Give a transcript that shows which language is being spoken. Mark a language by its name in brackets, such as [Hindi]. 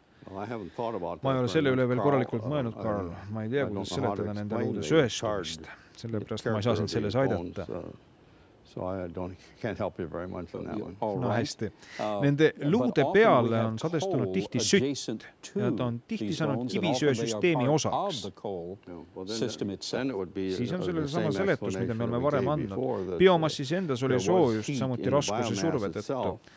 [Estonian] Ma ei ole selle üle veel korralikult mõelnud, Karl. Ma ei tea, kuidas seletada nende luude söestumist. Selle pärast ma ei saa sind selles aidata. [English] So I don't can't help you very much on that one. [Estonian] No hästi. Nende luude peale on sadestunud tihti sütt ja nad on tihti saanud kivisöö süsteemi osaks. Siis on sellel sama seletus, mida me oleme varem andnud. Biomassis endas oli soojust samuti raskuse surve tõttu.